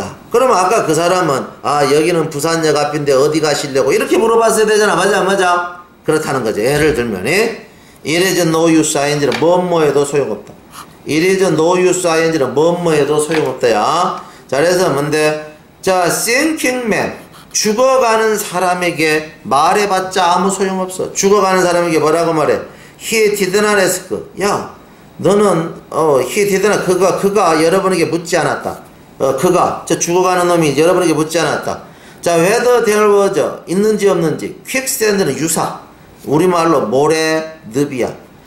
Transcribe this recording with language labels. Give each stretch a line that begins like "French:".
Korean: 그럼 아까 그 사람은 아 여기는 부산역 앞인데 어디 가시려고 이렇게 물어봤어야 되잖아. 맞아. 그렇다는 거지. 예를 들면
English: It is no use ing
Korean: 는 뭐뭐해도 소용없다.
English: It is no use ing
Korean: 는 뭐뭐해도 소용없다야. 자 그래서 뭔데? 자
English: sinking man
Korean: 죽어가는 사람에게 말해봤자 아무 소용없어. 죽어가는 사람에게 뭐라고 말해?
English: He did not ask.
Korean: 야 너는
English: he did
Korean: 나 그가 여러분에게 묻지 않았다. 그가 저 죽어가는 놈이 여러분에게 묻지 않았다. 자
English: whether there was
Korean: 있는지 없는지
English: quicksand
Korean: 는 유사 우리 말로 모래 너비야.